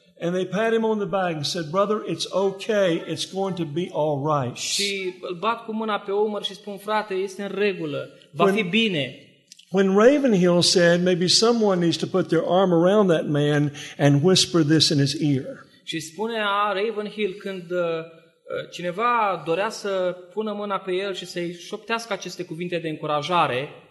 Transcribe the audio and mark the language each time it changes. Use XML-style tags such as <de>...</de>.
<en>And they pat him on the back and said, "Brother, it's okay. It's going to be all right."</en> <ro>Și îl bat cu mâna pe umăr și spun, frate, este în regulă. Va fi bine.</ro> <en>When Ravenhill said, "Maybe someone needs to put their arm around that man and whisper this in his ear."</en> <ro>Și spune Ravenhill când cineva dorea să pună mâna pe el și să-i șoptească aceste cuvinte de încurajare.</ro>